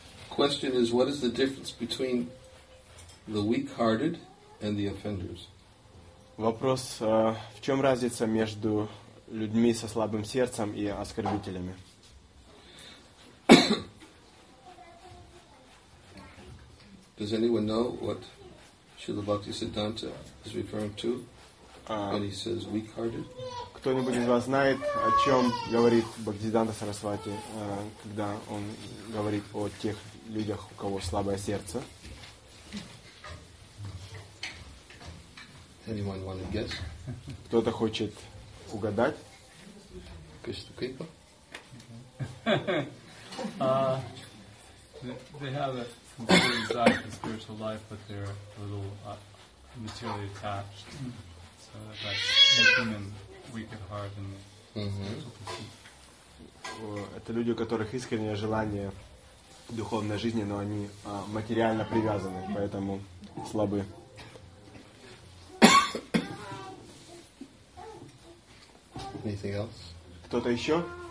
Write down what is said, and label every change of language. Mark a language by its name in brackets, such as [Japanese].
[English] Question is, what is the difference between the weak-hearted and the offenders? [Russian] Вопрос, в чем разница между людьми со слабым сердцем и оскорбителями? [English] Does anyone know what Srila Bhaktisiddhanta is referring to when he says weak-hearted? [Russian] Кто-нибудь из вас знает, о чем говорит Бхактисиддханта Сарасвати, когда он говорит о тех людях, у кого слабое сердце? [English] Anyone want to guess? [Russian] Кто-то хочет угадать? Кришна Крипа? [English] They have a complete desire for spiritual life, but they're a little materially attached. So that makes them weak at heart and spiritual pursuit. [Russian] Это люди, у которых искреннее желание духовной жизни, но они материально привязаны, поэтому слабы. [English] Anything else? [Russian] Кто-то еще?